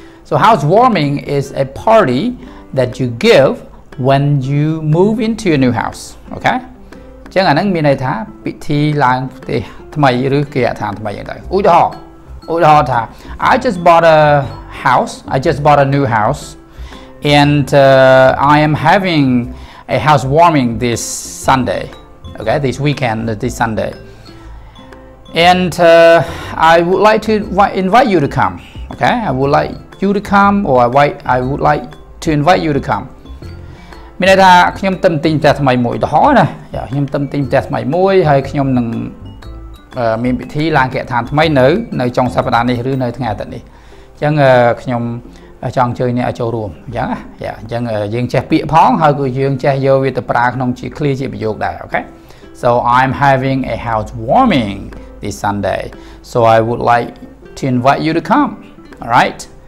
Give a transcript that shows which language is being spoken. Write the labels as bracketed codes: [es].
[en] So housewarming is a party that you give when you move into a new house. Okay? [km] ចឹងអានឹងមានន័យថាពិធីឡើងផ្ទះថ្មីឬគេហៅថ្មីយ៉ាងដែរ។ឧទាហរណ៍។ឧទាហរណ៍ថា [en] I just bought a house. I just bought a new house and I am having a housewarming this Sunday. Okay? This weekend, this Sunday. And I would like to invite you to come. Okay? I would likeyou to come [km] or I would like to invite you to come មានថាខ្ញុំទៅទិញផ្ទះថ្មីមួយដហណាខ្ញុំទៅទិញផ្ទះថ្មីមួយហើយខ្ញុំនឹង មានពិធីឡើងគេឋានថ្មីនៅចុងសប្តាហ៍នេះឬនៅថ្ងៃអាទិត្យនេះអញ្ចឹងខ្ញុំចង់ជើញអ្នកចូលរួមអញ្ចឹងណាអញ្ចឹងយើងចេះពាក្យផងហើយក៏យើងចេះយកវាទៅប្រើក្នុងជាឃ្លាជាប្រយោគដែរអូខេ [en] So I'm having a housewarming this Sunday so I would like to invite you to come all right